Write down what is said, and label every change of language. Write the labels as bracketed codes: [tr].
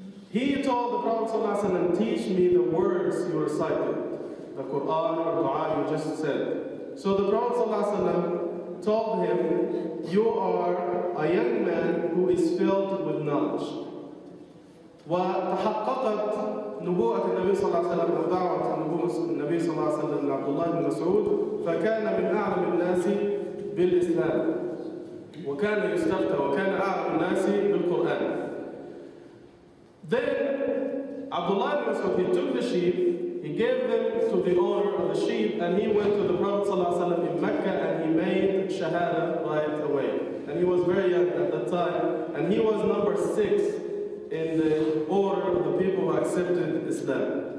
[en] He told the Prophet ﷺ, teach me the words you recited, the Quran or dua you just said. So the Prophet ﷺ told him, you are a young man who is filled with knowledge. [ar] وتحققت نبوة النبي صلى الله عليه وسلم ودعوة النبي صلى الله عليه وسلم عبد الله بن مسعود، فكان من أعلم الناس بالإسلام، وكان يستفتى، وكان أعلم الناس بالقرآن. [en] Then Abdullah ibn Mas'ud, he took the sheep, he gave them to the owner of the sheep, and he went to the Prophet sallallahu alaihi wasallam in Mecca and he made shahada right away. And he was very young at that time, and he was number 6 in the order of the people who accepted Islam.